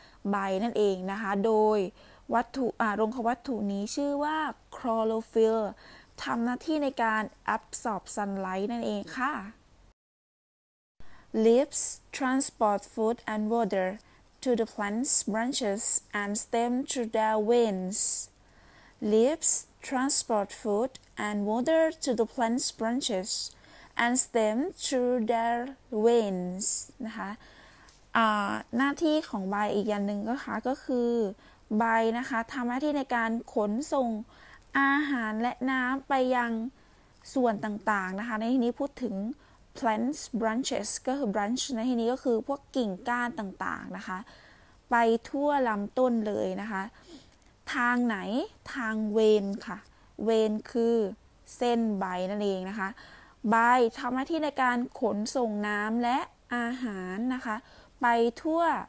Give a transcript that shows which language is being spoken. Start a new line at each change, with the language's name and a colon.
Thai: ใบนั่นเองนะคะโดยวัตถุรงควัตถุนี้ชื่อว่าคลอโรฟิลล์ทำหน้าที่ในการแอบซอบซันไลท์นั่นเองค่ะ
English: Leaves transport food and water to the plant's branches and stem through their veins. Leaves transport food and water to the plant's branches and stem through their veins.
Thai: นะคะหน้าที่ของใบอีกอย่างนึงก็คะก็คือใบนะคะทำหน้าที่ในการขนส่งอาหารและน้ำไปยัง ส่วนต่างๆนะคะในที่นี้พูดถึง plants branches ก็คือ branch ในที่นี้ก็คือพวกกิ่งก้านต่างๆนะคะไปทั่วลำต้นเลยนะคะทางไหนทางเวนค่ะเวนคือเส้นใบนั่นเองนะคะใบทำหน้าที่ในการขนส่งน้ำและอาหารนะคะไปทั่ว